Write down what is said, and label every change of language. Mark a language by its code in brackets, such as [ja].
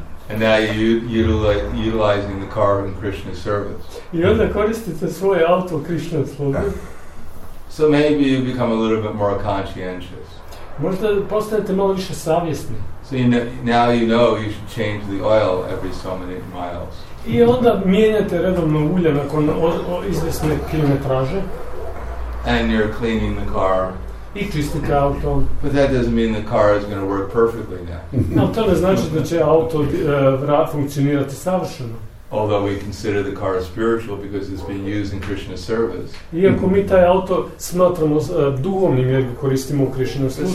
[en] And now you're utilizing the car in Krishna's service. [hr] I onda koristite svoje auto Krishna sluge. [en] So maybe you become a little bit more conscientious. [hr] Možda postanete malo više savjesni. [en] So you know, now you know you should change the oil every so many miles. [hr] I onda mijenjate redovno ulje nakon izvjesne kilometraže. [en] And you're cleaning the car. [hr] I čistite auto. [en] But that doesn't mean the car is going to work perfectly now. [hr] No, to ne znači da će auto funkcionirati savršeno. [en] Although we consider the car spiritual because it's been used in Krishna's service. [hr] Iako mi taj auto smatramo duhovnim jer ga koristimo u Krishna službi.